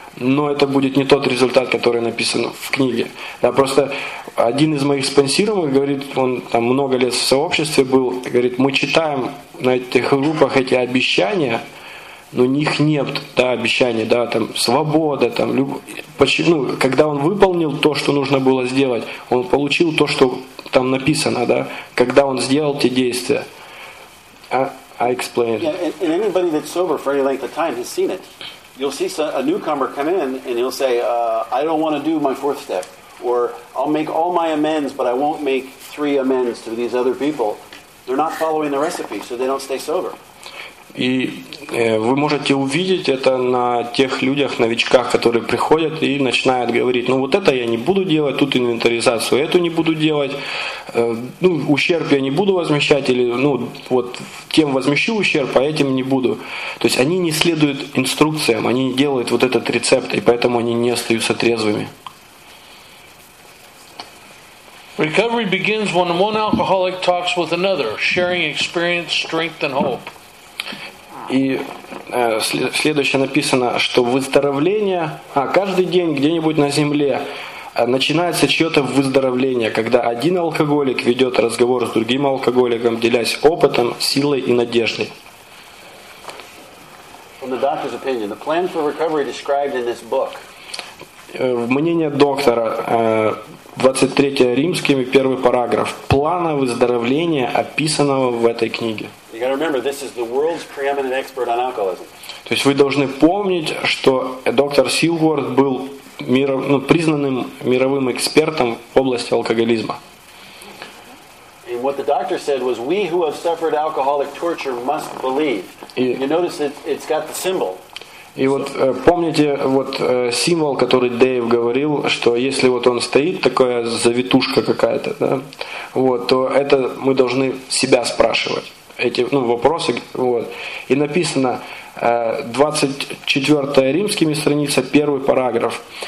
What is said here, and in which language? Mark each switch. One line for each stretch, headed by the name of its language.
Russian: Но это будет не тот результат, который написан в книге. Да, просто один из моих спонсируемых говорит, он там много лет в сообществе был, говорит, мы читаем на этих группах эти обещания, но у них нет, да, обещаний, да, там, свобода, там, почему, когда он выполнил то, что нужно было сделать, он получил то, что там написано, да, когда он сделал те действия.
English: I explain it. Yeah, and anybody that's sober for any length of time has seen it. You'll see a newcomer come in and he'll say, I don't want to do my fourth step. Or I'll make all my amends, but I won't make three amends to these other people. They're not following the recipe, so they don't stay sober.
Russian: И вы можете увидеть это на тех людях, новичках, которые приходят и начинают говорить, ну вот это я не буду делать, тут инвентаризацию эту не буду делать, ну ущерб я не буду возмещать, или ну вот тем возмещу ущерб, а этим не буду. То есть они не следуют инструкциям, они не делают вот этот рецепт, и поэтому они не остаются трезвыми.
English: Recovery begins when one alcoholic talks with another, sharing experience, strength and hope.
Russian: И следующее написано, что выздоровление, каждый день где-нибудь на земле начинается чье-то выздоровление, когда один алкоголик ведет разговор с другим алкоголиком, делясь опытом, силой и надеждой.
English: From the doctor's opinion, the plan for recovery described in this book.
Russian: Мнение доктора, 23 Римскими, первый параграф. Плана выздоровления, описанного в этой книге.
English: You gotta remember, this is the world's preeminent expert on alcoholism.
Russian: То есть вы должны помнить, что доктор Силворд был признанным мировым экспертом в области алкоголизма.
English: And what the doctor said was, we who have suffered alcoholic torture must believe. You notice it's got the symbol.
Russian: И вот помните вот символ, который Дэйв говорил, что если вот он стоит, такая завитушка какая-то, да, вот, то это мы должны себя спрашивать, эти вопросы. Вот. И написано 24 Римскими страница, первый параграф.